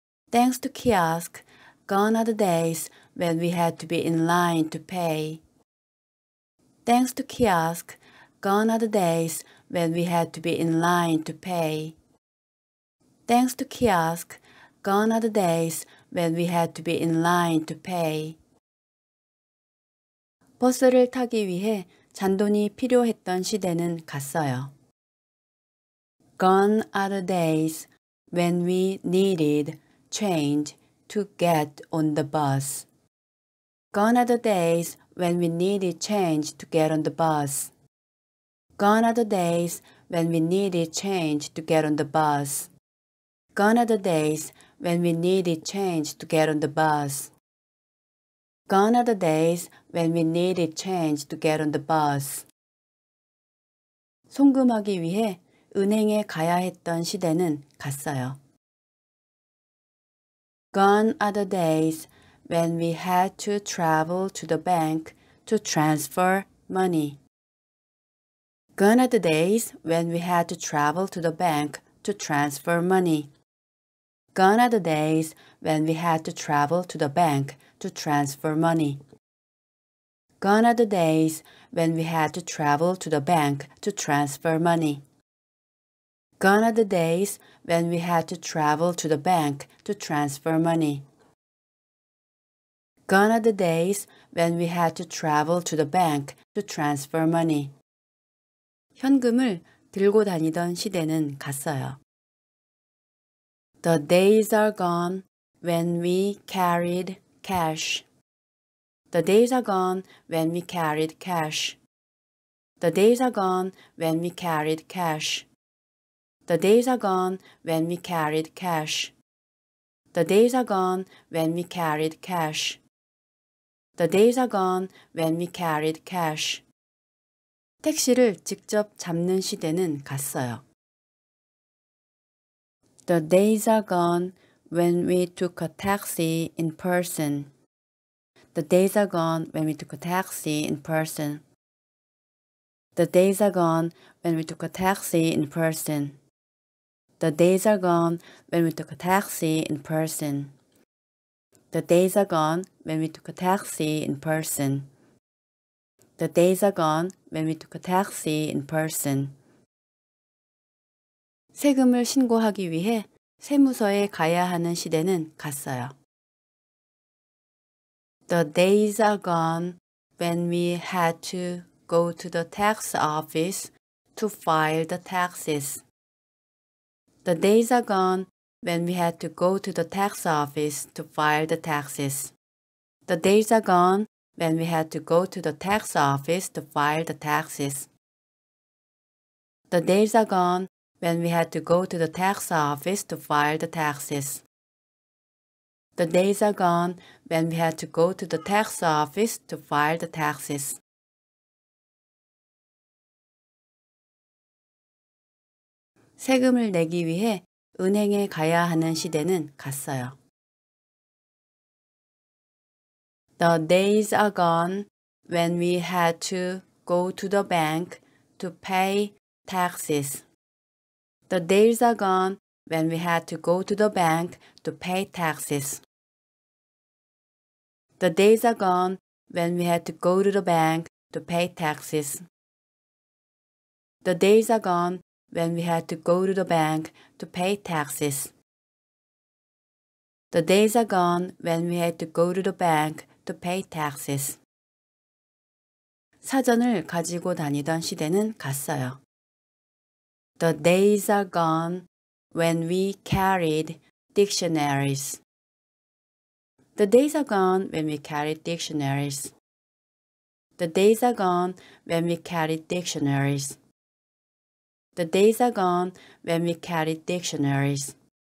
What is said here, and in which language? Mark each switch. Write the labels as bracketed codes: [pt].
[en] Thanks to kiosk, gone are the days when we had to be in line to pay. Thanks to kiosk, gone are the days when we had to be in line to pay. Thanks to kiosk, gone are the days when we had to be in line to pay. [ko] 버스를 타기 위해 잔돈이 필요했던 시대는 갔어요. [en] Gone are the days when we needed change to get on the bus. Gone are the days when we needed change to get on the bus. Gone are the days when we needed change to get on the bus. Gone are the days when we needed change to get on the bus. Gone are the days when we needed change to get on the bus. [ko] 송금하기 위해 은행에 가야 했던 시대는 갔어요. [en] Gone are the days when we had to travel to the bank to transfer money. Gone are the days when we had to travel to the bank to transfer money. Gone are the days when we had to travel to the bank to transfer money. Gone are the days when we had to travel to the bank to transfer money. Gone are the days when we had to travel to the bank to transfer money. Gone are the days when we had to travel to the bank to transfer money. [ko] 현금을 들고 다니던 시대는 갔어요. [en] The days are gone when we carried cash. The days are gone when we carried cash. The days are gone when we carried cash. The days are gone when we carried cash. The days are gone when we carried cash. The days are gone when we carried cash. [ko] 택시를 직접 잡는 시대는 갔어요. [en] The days are gone when we took a taxi in person. The days are gone when we took a taxi in person. The days are gone when we took a taxi in person. The days are gone when we took a taxi in person. The days are gone when we took a taxi in person. The days are gone when we took a taxi in person. [ko] 세금을 신고하기 위해 세무서에 가야 하는 시대는 갔어요. [en] The days are gone when we had to go to the tax office to file the taxes. The days are gone when we had to go to the tax office to file the taxes. The days are gone when we had to go to the tax office to file the taxes. The days are gone when we had to go to the tax office to file the taxes. The days are gone when we had to go to the tax office to file the taxes. [ko] 세금을 내기 위해 은행에 가야 하는 시대는 갔어요. [en] The days are gone when we had to go to the bank to pay taxes. The days are gone when we had to go to the bank to pay taxes. The days are gone when we had to go to the bank to pay taxes. The days are gone when we had to go to the bank to pay taxes. The days are gone when we had to go to the bank to pay taxes. [ko] 사전을 가지고 다니던 시대는 갔어요. [en] The days are gone when we carried dictionaries. The days are gone when we carried dictionaries. The days are gone when we carried dictionaries. The days are gone when we carried dictionaries.